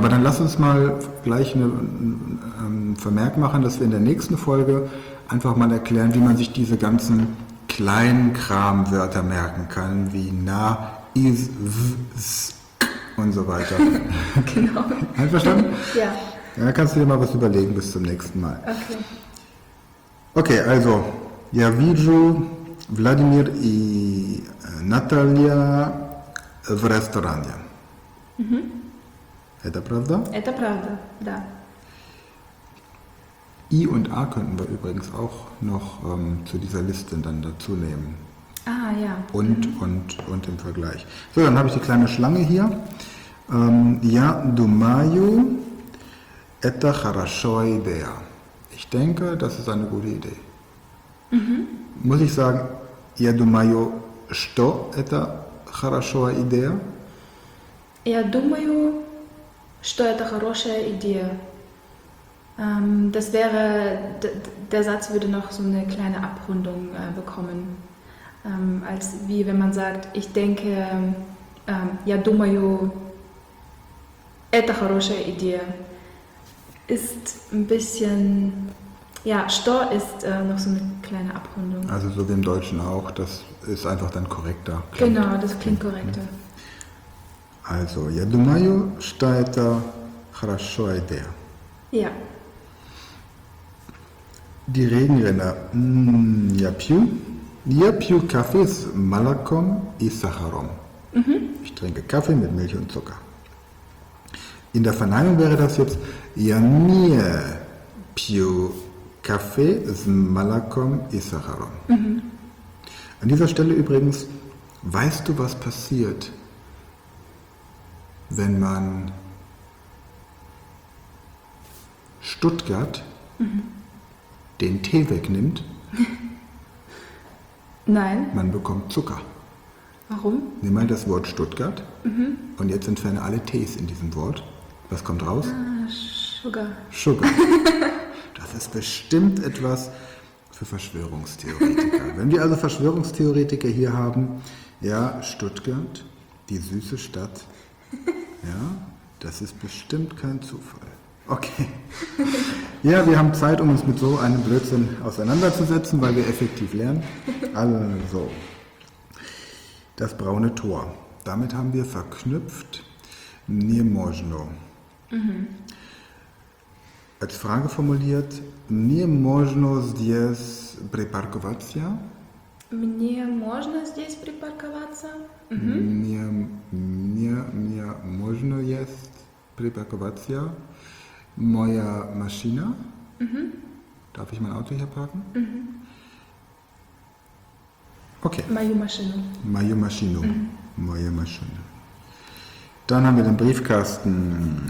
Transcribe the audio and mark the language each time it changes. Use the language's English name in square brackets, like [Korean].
[German] Aber dann lass uns mal gleich einen Vermerk machen, dass wir in der nächsten Folge einfach mal erklären, wie man sich diese ganzen kleinen Kramwörter merken kann, wie na, is, w, s und so weiter. Genau. Einverstanden? Ja. Dann kannst du dir mal was überlegen bis zum nächsten Mal. Okay. Okay, also, [Russian] я вижу Владимир и Наталья в ресторане. Mhm. Это правда? Это правда, да. [German] I und A könnten wir übrigens auch noch zu dieser Liste dann dazu nehmen. Ah, ja. Und im Vergleich. So, dann habe ich die kleine Schlange hier. [Russian] Я думаю, это хорошая идея. [German] Ich denke, das ist eine gute Idee. Mhm. Muss ich sagen, [Russian] я думаю, что это хорошая идея? Я думаю, что это хорошая идея. [German] Das wäre, der Satz würde noch so eine kleine Abrundung bekommen. Als wie wenn man sagt, ich denke, [Russian] я думаю, это хорошая идея. [German] Ist ein bisschen, ja, Stor ist noch so eine kleine Abrundung. Also so wie im Deutschen auch, das ist einfach dann korrekter. Klingt, genau, das klingt korrekter. [Russian] Also, я думаю, что это хорошая идея. [German] Ja. Die Regenrinne, [Russian] я пью кофе с молоком и сахаром. Mhm. [German] Ich trinke Kaffee mit Milch und Zucker. In der Verneinung wäre das jetzt, [Russian] я не пью кофе с молоком и сахаром. Mhm. [German] An dieser Stelle übrigens, weißt du, was passiert, wenn man Stuttgart den Tee wegnimmt? Nein. Man bekommt Zucker. Warum? Nimm mal das Wort Stuttgart und jetzt entferne alle Tees in diesem Wort. Was kommt raus? [English] Sugar. Sugar. [German] Das ist bestimmt etwas für Verschwörungstheoretiker. Wenn wir also Verschwörungstheoretiker hier haben, ja, Stuttgart, die süße Stadt, ja, das ist bestimmt kein Zufall. Okay. Ja, wir haben Zeit, um uns mit so einem Blödsinn auseinanderzusetzen, weil wir effektiv lernen. Also, das braune Tor. Damit haben wir verknüpft [Russian] «Не можно». Mhm. [German] Als Frage formuliert [Russian] «Не можно здесь припарковаться?» «Мне можно здесь припарковаться?» «Мне можно здесь припарковаться?» Моя машина? Mhm. [German] Darf ich mein Auto hier parken? Mhm. Okay. [Russian] Мою машину. Mhm. Моя машина. [German] Dann haben wir den Briefkasten.